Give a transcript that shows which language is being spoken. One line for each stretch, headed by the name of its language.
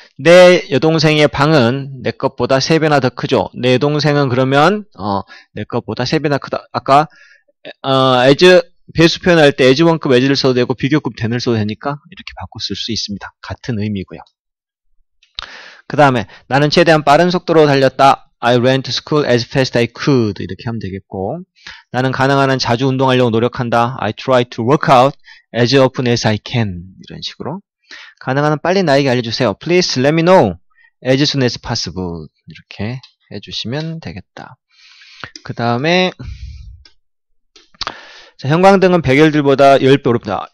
Korean: 내 여동생의 방은 내 것보다 세 배나 더 크죠? 내 여동생은 그러면 내 것보다 세 배나 크다. 아까 as 배수 표현할 때 as 원급 as를 써도 되고 비교급 than을 써도 되니까 이렇게 바꿔 쓸수 있습니다. 같은 의미고요. 그 다음에 나는 최대한 빠른 속도로 달렸다.
English: I ran to school as fast I could.
Korean: 이렇게 하면 되겠고, 나는 가능한 한 자주 운동하려고 노력한다.
English: I try to work out as often as I can.
Korean: 이런 식으로 가능한 한 빨리 나에게 알려주세요.
English: Please let me know as soon as possible.
Korean: 이렇게 해주시면 되겠다. 그 다음에 형광등은 백열등보다 10배 어렵다.